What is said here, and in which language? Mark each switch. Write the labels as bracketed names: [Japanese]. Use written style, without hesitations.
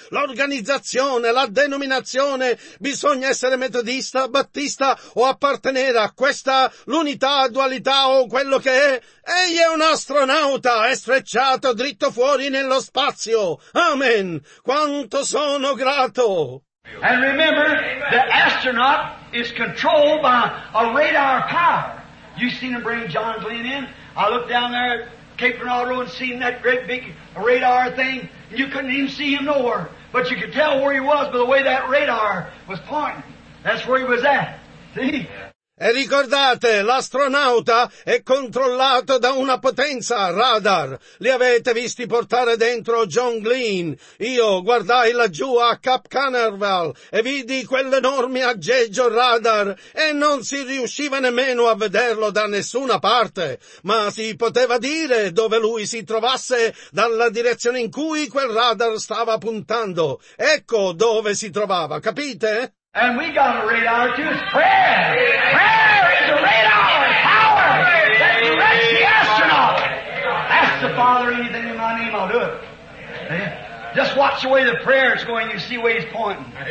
[Italian] L'organizzazione, la denominazione, bisogna essere metodista, battista o appartenere a questa, l'unità, dualità o quello che è. Egli è un astronauta, è strecciato dritto fuori nello spazio. Amen. Quanto sono grato. [English] And remember, the astronaut is controlled by a radar power. You've seen him bring John Glenn in. I looked down there at Cape Canaveral and seen that great big radar thing. You couldn't even see him nowhere. But you could tell where he was by the way that radar was pointing. That's where he was at. See? [Italian] E ricordate, l'astronauta è controllato da una potenza radar. Li avete visti portare dentro John Glenn. Io guardai laggiù a Cap Canaveral e vidi quell'enorme aggeggio radar e non si riusciva nemmeno a vederlo da nessuna parte. Ma si poteva dire dove lui si trovasse dalla direzione in cui quel radar stava puntando. Ecco dove si trovava, capite? [English] And we got a radar too. It's prayer. Prayer is a radar power that directs the astronaut. Ask the Father anything in my name, I'll do it. Just watch the way the prayer is going, you see where he's pointing.